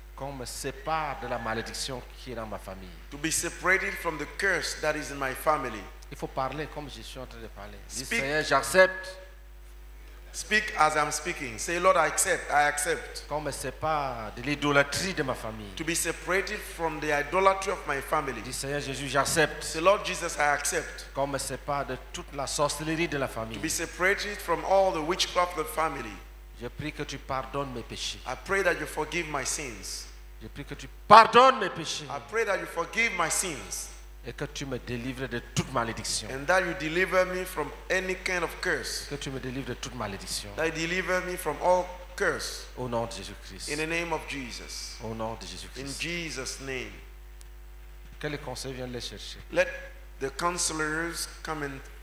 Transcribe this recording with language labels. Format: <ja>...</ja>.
<fr>Qu'on me sépare de la malédiction qui est dans ma famille.</fr> <en>To be separated from the curse that is in my family.</en> <fr>Il faut parler comme je suis en train de parler. Dis Seigneur, j'accepte.</fr> <en>Speak as I'm speaking. Say, Lord, I accept.</en> <fr>Qu'on me sépare de l'idolâtrie de ma famille.</fr> <en>To be separated from the idolatry of my family.</en> <fr>Dis, Seigneur Jésus, j'accepte.</fr> <en>Say, Lord Jesus, I accept.</en> <fr>Qu'on me sépare de toute la sorcellerie de la famille.</fr> <en>To be separated from all the witchcraft of the family.</en> <fr>Je prie que tu pardonnes mes péchés.</fr> <en>I pray that you forgive my sins.</en> <fr>Je prie que tu pardonnes mes péchés.</fr> <en>I pray that you forgive my sins.</en> <fr>Et que tu me délivres de toute malédiction.</fr> <en>And that you deliver me from any kind of curse.</en> <fr>Que tu me délivres de toute malédiction.</fr> <en>That you deliver me from all curse.</en> <fr>Au nom de Jésus-Christ.</fr> <en>In the name of Jesus.</en> <fr>Au nom de Jésus-Christ.</fr> <en>In Jesus' name.</en> <fr>Que les conseillers viennent les chercher.</fr> <en>Let the counselors come and</en>